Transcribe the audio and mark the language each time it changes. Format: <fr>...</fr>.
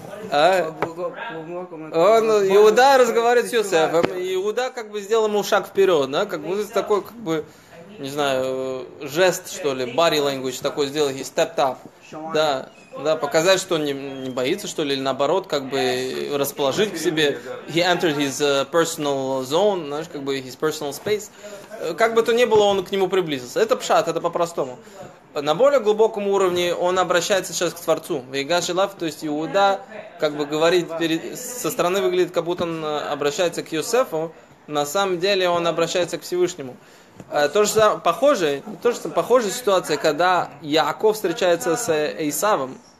<ru>Он, Иуда разговаривает с Йосефом, Иуда как бы сделал ему шаг вперед, да, как бы такой, как бы, не знаю, жест, что ли, body language такой сделал,</ru> <en>he stepped up,</en> <ru>да. Да, показать, что он не боится, что ли, или наоборот, как бы расположить к себе.</ru> <en>He entered his personal zone,</en> <ru>знаешь, как бы</ru> <en>his personal space.</en> <ru>Как бы то ни было, он к нему приблизился. Это пшат, это по-простому. На более глубоком уровне он обращается сейчас к Творцу. Ваигаш Илав, то есть Иуда, как бы говорит, со стороны выглядит, как будто он обращается к Йосефу. На самом деле он обращается к Всевышнему. Похожая ситуация, когда Яаков встречается с Эйсавом.</ru>